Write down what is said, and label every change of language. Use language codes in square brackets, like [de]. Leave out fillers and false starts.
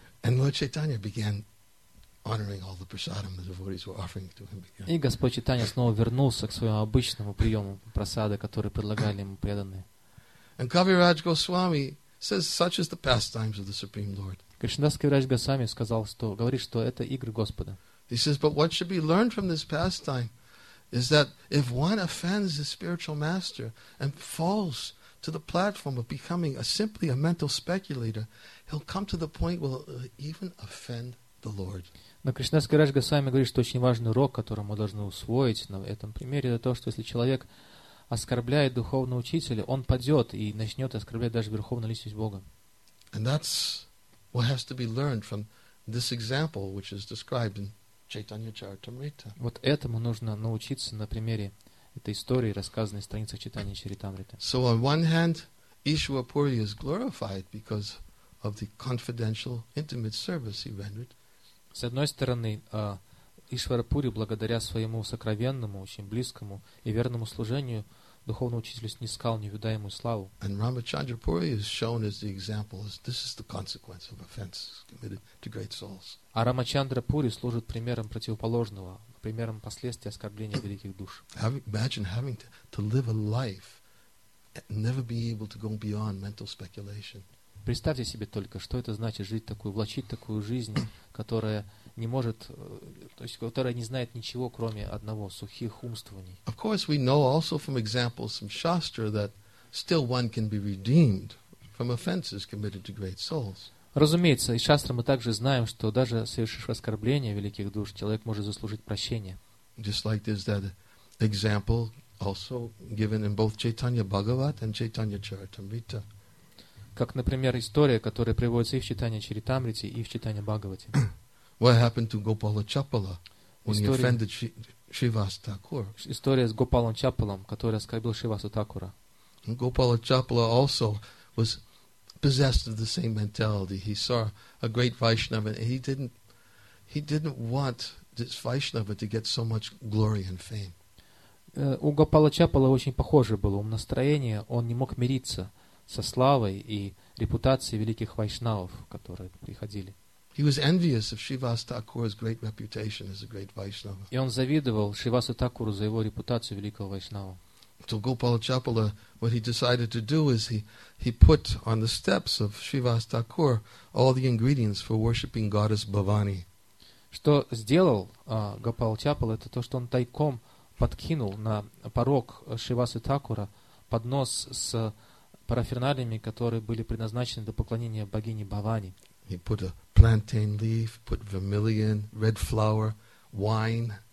[en] And Lord Chaitanya began honoring all the prasadam the devotees were offering to him again. [ru] И Господь Чайтанья снова вернулся к своему обычному приему прасады, который предлагали ему преданные. [en] And Kaviraj Goswami says, such is the pastimes of the Supreme Lord. [ru] Кришнадас Кавирадж Госвами сказал, что говорит, что это игры Господа. [en] He says, but what should be learned from this pastime is that if one offends his spiritual master and falls to the platform of becoming simply a mental speculator, he'll come to the point where he'll even offend the Lord. [ru] Но Кришнадас Кавирадж Госвами говорит, что очень важный урок, который мы должны усвоить на этом примере, это то, что если человек оскорбляет духовного учителя, он падет и начнет оскорблять даже верховную личность Бога. [en] And that's what has to be learned from this example, which is described in Chaitanya Charitamrita. [ru] Вот этому нужно научиться на примере этой истории, рассказанной в страницах Чайтаньи Чаритамриты. [en] So on one hand, Ishwara Puri is glorified because of the confidential, intimate service he rendered. [ru] С одной стороны, Ишвара Пури, благодаря своему сокровенному, очень близкому и верному служению, духовный учитель снискал невидаемую славу. [en] And Рамачандрапури is shown as the example, as this is the consequence of offenses committed to great souls. [ru] А Рамачандрапури служит примером противоположного, примером последствий оскорбления великих душ. [en] Imagine having to live a life and never be able to go beyond mental speculation. [ru] Представьте себе только, что это значит жить такую, влачить такую жизнь, которая не может, то есть которая не знает ничего, кроме одного, сухих умствований. [en] Of course, we know also from examples from Shastra that still one can be redeemed from offenses committed to great souls. [ru] Разумеется, из Шастры мы также знаем, что даже совершив оскорбление великих душ, человек может заслужить прощение. [en] Just like there's that example also given in both Chaitanya Bhagavat and Chaitanya Charitamrita. [ru] Как, например, история, которая приводится и в Чайтанья Чаритамрите, и в Чайтанья Бхагавате. [en] What happened to Gopala Chapala when he offended Shrivas Thakur? [ru] История с Гопалом Чапалом, который оскорбил Шривасу Такура. [en] Gopala Chapala also was possessed of the same mentality. He saw a great Vaishnava and he didn't want this Vaishnava to get so much glory and fame. [ru] У Гопала Чапала очень похоже было настроение, он не мог мириться со славой и репутацией великих вайшнавов, которые приходили. [en] He was envious of Shrivas Thakur's great reputation as a great Vaishnava. [ru] И он завидовал Шривасу Такуру за его репутацию великого вайшнава. [en] So Gopala Chapala, what he decided to do is he put on the steps of Shrivas Thakur all the ingredients for worshipping goddess Bhavani. [ru] Что сделал Гопала Чапала, это то, что он тайком подкинул на порог Шривасу Такура поднос с парафернальями, которые были предназначены для поклонения богини Бхавани. [en] He put a plantain leaf, put vermilion, red flower, wine.